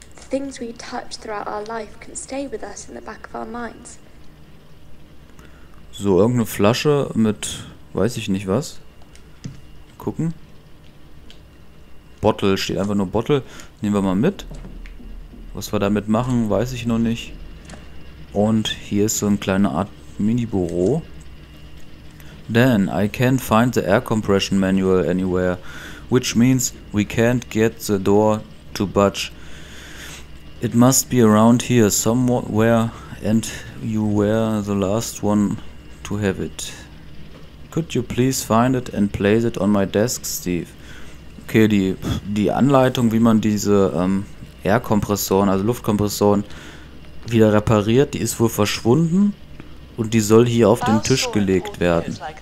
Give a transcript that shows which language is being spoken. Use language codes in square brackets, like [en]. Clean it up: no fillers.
[en] Things we touch throughout our life can stay with us in the back of our minds. [de] So, irgendeine Flasche mit, weiß ich nicht was. Gucken. Bottle, steht einfach nur Bottle. Nehmen wir mal mit. Was wir damit machen, weiß ich noch nicht. Und hier ist so eine kleine Art Mini-Büro. [en] Dan, I can't find the air compression manual anywhere. Which means we can't get the door to budge. It must be around here somewhere and you were the last one to have it. Could you please find it and place it on my desk, Steve? [de] Okay, die Anleitung, wie man diese Air-Kompressoren, also Luftkompressoren, wieder repariert, die ist wohl verschwunden und die soll hier auf den Tisch gelegt werden.